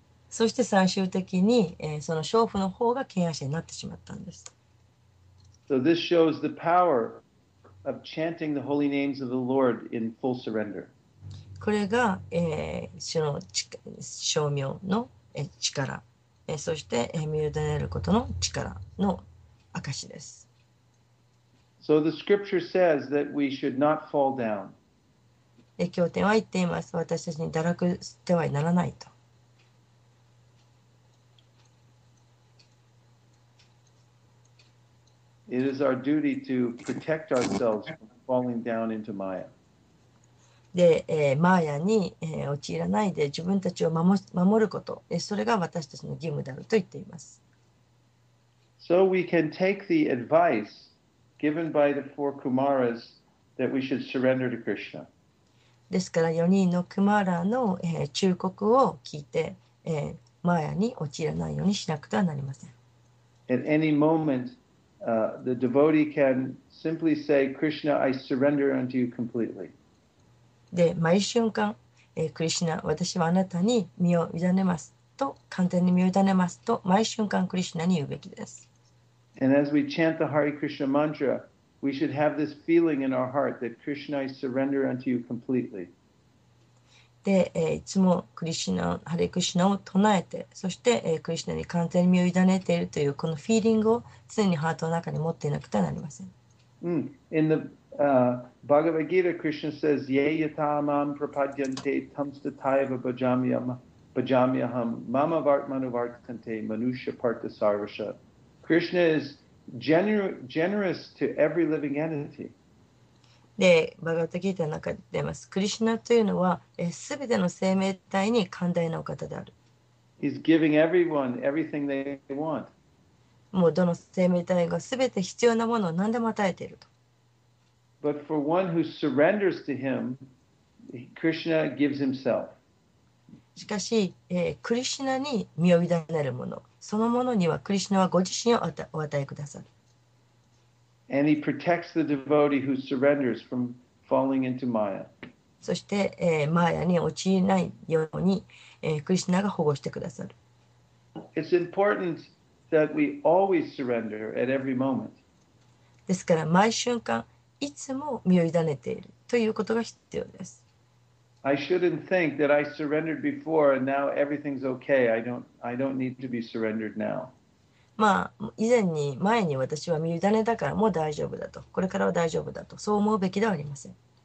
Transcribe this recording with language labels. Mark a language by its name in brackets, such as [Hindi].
[Japanese] そして最終的にその娼婦の方が敬愛者になってしまったんです。 [English] So this shows the power of chanting the holy names of the Lord in full surrender. [Japanese] これが、その称名の力、そして身を委ねることの力の証です。 [English] So the scripture says that we should not fall down. [Japanese] 経典は言っています。私たちに堕落してはならないと。 [English] It is our duty to protect ourselves from falling down into Maya. [Japanese] で、マーヤに、陥らないで自分たちを守ること、それが私たちの義務であると言っています。 [English] So we can take the advice given by the four Kumaras that we should surrender to Krishna. [Japanese] ですから4人のクマラの、忠告を聞いて、マーヤに陥らないようにしなくてはなりません。 [English] At any momentthe devotee can simply say, Krishna, I surrender unto you completely. [Japanese] で、毎瞬間、クリシナ、私はあなたに身を委ねますと、完全に身を委ねますと、毎瞬間クリシナに言うべきです。 [English] And as we chant the Hare Krishna mantra, we should have this feeling in our heart that Krishna, I surrender unto you completely. [Japanese] で、いつもクリシナ、ハレクリシナを唱えて、そして、クリシナに完全に身を委ねているというこのフィーリングを常にハートの中に持っていなくてはなりません。 [English] うん。In the Bhagavad Gita, Krishna says, [Sanskrit] Ye yatamam prapadyante tamstatayava bhajamyaham mama vartmanu vartante manusha partha sarvasha. [English] Krishna is generous to every living entity. [Japanese] でバガヴァッド・ギーターの中で出ます。クリシナというのは、すべての生命体に寛大なお方である。 [English] He's giving everyone everything they want. [Japanese] もうどの生命体がすべて必要なものを何でも与えていると。 [English] But for one who surrenders to him, Krishna gives himself. [Japanese] しかし、クリシナに身を委ねるもの、そのものにはクリシナはご自身をお与えくださる。 [English] And he protects the devotee who surrenders from falling into Maya. [Japanese] そして、マーヤに陥らないように、クリシナが保護してくださる。 [English] It's important that we always surrender at every moment. [Japanese] ですから、毎瞬間、いつも身を委ねているということが必要です。 [English] I shouldn't think that I surrendered before and now everything's okay. I don't need to be surrendered now. [Japanese] まあ、以前に前に私は身委ねだからもう大丈夫だとこれからは大丈夫だとそう思うべきではありません。